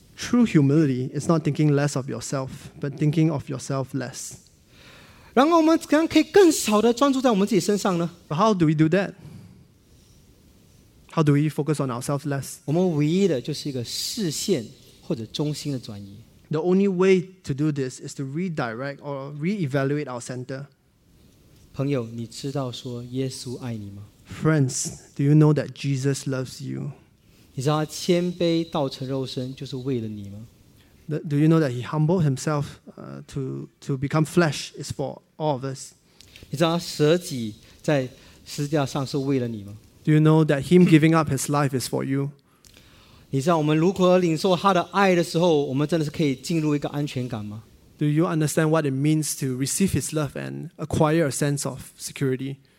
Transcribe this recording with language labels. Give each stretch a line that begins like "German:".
English: True humility is not thinking less of yourself, but thinking of yourself less.
Chinese: 然后我们怎样可以更少地专注在我们自己身上呢?
English: But how do we do that? How do we focus on ourselves less?
Chinese: 我们唯一的就是一个视线或者中心的转移。
English: The only way to do this is to redirect or reevaluate our center.
Chinese: 朋友，你知道说耶稣爱你吗?
English: Friends, do you know that Jesus loves you?
Chinese: 你知道他谦卑道成肉身就是为了你吗?
English: Do you know that he humbled himself to become flesh is for all of us?
Chinese: 你知道他舍己在十字架上是为了你吗?
English: Do you know that him giving up his life is for you?
Chinese: 你知道我们如何领受他的爱的时候，我们真的是可以进入一个安全感吗?
English: Do you understand what it means to receive his love and acquire a sense of security?